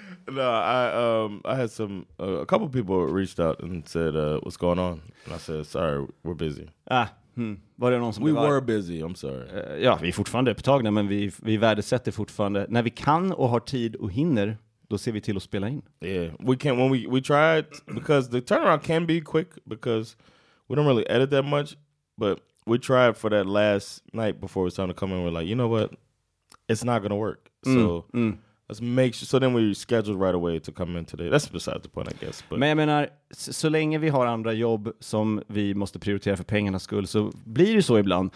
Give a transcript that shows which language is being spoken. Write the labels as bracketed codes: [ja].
[en] No, I had a couple people reached out and said, what's going on? And I said, sorry, we're busy. [sv] Var det någon som [en] we were busy, I'm sorry. [sv] Ja, vi är fortfarande upptagna, men vi värdesätter fortfarande. När vi kan och har tid och hinner, då ser vi till att spela in. [en] Yeah, we can, when we try it, because the turnaround can be quick, because we don't really edit that much, but we tried for that last night before it was time to come in, we're like, you know what? It's not going to work, let's make sure. So then we scheduled right away to come in today. That's besides the point, I guess. But. [sv] Men jag menar, så länge vi har andra jobb som vi måste prioritera för pengarnas skull så blir det så ibland.